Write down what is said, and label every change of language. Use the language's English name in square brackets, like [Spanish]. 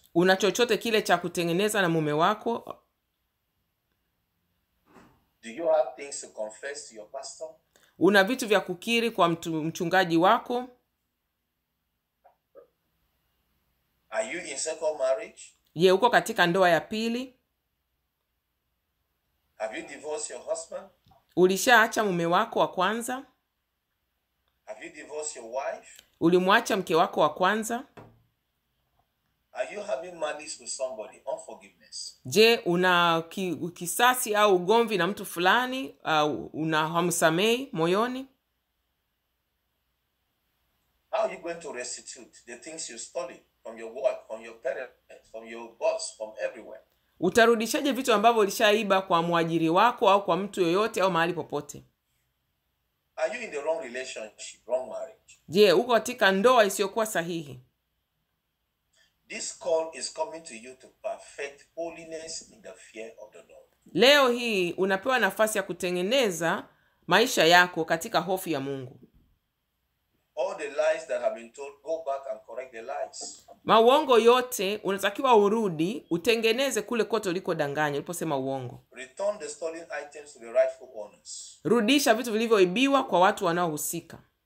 [Swahili] Una chochote kile cha kutengeneza na mume wako? [English] Do you have things to confess to your pastor? [Swahili] Una vitu vya kukiri kwa mchungaji wako? [English] Are you in second marriage? [Swahili] Je, uko katika ndoa ya pili? [English] Have you divorced your husband? [Swahili] Ulishaacha mume wako wa kwanza? [English] Have you divorced your wife? [Swahili] Ulimwacha mke wako wa kwanza? [English] Are you having malice with somebody? Unforgiveness. [Swahili] Je, una kisasi au ugomvi na mtu fulani? Una hamsamei moyoni? [English] How are you going to restitute the things you stole from your work, from your parents, from your boss, from everywhere? [Swahili] Utarudishaje vitu ambavyo ulishaiba kwa mwajiri wako au kwa mtu yoyote au mahali popote? [English] Are you in the wrong relationship, wrong marriage? [Swahili] Je, uko katika ndoa isiyokuwa sahihi? [English] This call is coming to you to perfect holiness in the fear of the Lord. [Swahili] Leo hii unapewa nafasi ya kutengeneza maisha yako katika hofu ya Mungu. [English] All the lies that have been told, go back and correct the lies. [Swahili] Mauongo yote unatakiwa urudi, utengeneze kule kote ulikodanganya uliposema uongo. [English] Return the stolen items to the rightful owners. [Swahili] Rudisha vitu vilivyoibiwa kwa watu wanaohusika.